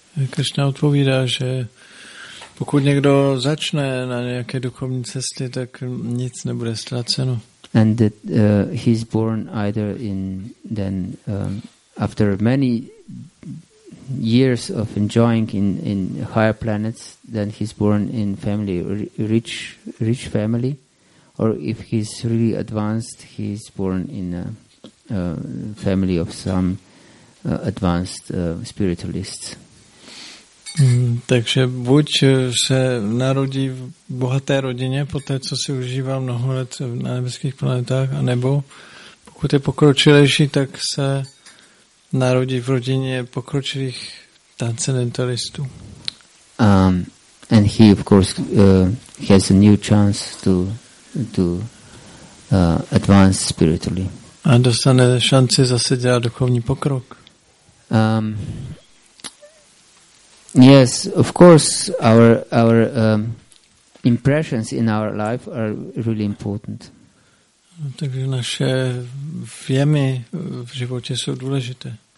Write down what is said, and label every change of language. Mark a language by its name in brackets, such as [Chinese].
[Czech] Krishna odpovídá, že pokud někdo začne na nějaké duchovní cestě, tak nic nebude ztraceno. [English] And that he's born either in then after many years of enjoying in higher planets, then he's born in family rich family, or if he's really advanced, he's born in a family of some advanced spiritualists. [Czech] Takže buď se narodí v bohaté rodině po té, co si užívá mnoho let na nebeských planetách, anebo pokud je pokročilejší, tak se narodí v rodině pokročilých transcendentalistů. [English] And he of course has a new chance to advance spiritually. [Czech] A dostane šanci zase dělat duchovní pokrok. [English] Yes, of course, our impressions in our life are really important. [Czech] Takže naše vjemy v životě jsou důležité.